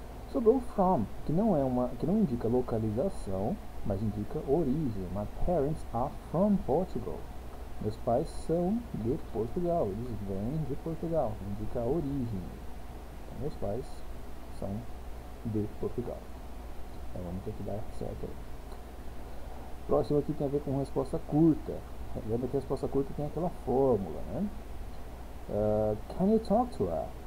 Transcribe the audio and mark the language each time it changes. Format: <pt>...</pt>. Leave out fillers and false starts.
<pt>Sobrou from, que não indica localização, mas indica origem.</pt> <en>My parents are from Portugal.</en> <pt>Meus pais são de Portugal, eles vêm de Portugal, indica a origem. Então, meus pais são de Portugal. Então vamos ter que dar certo aí. Próximo aqui tem a ver com resposta curta. Lembra que a resposta curta tem aquela fórmula, né?</pt> <en>Can you talk to her?</en>